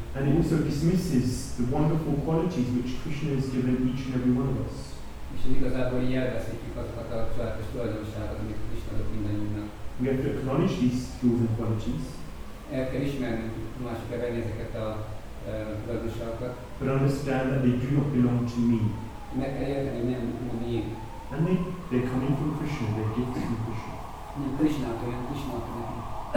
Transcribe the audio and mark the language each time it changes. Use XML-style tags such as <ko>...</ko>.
<en>And it also dismisses the wonderful qualities which Krishna has given each and every one of us.</en> <hu>És igazából így elveszítjük azokat a csodálatos tulajdonságokat, amit Krishna adott mindannyiunknak.</hu> <en>We have to acknowledge these skills and qualities.</en> <hu>El kell ismernünk, másik kell venni ezeket a tulajdonságokat.</hu> <en>But understand that they do not belong to me.</en> <hu>Meg kell érteni, nem a miénk.</hu> <en>And they're coming from Krishna, they're gifts from Krishna.</en> <hu>Nem Krishna adta, hanem Krishna adta nekünk.</hu>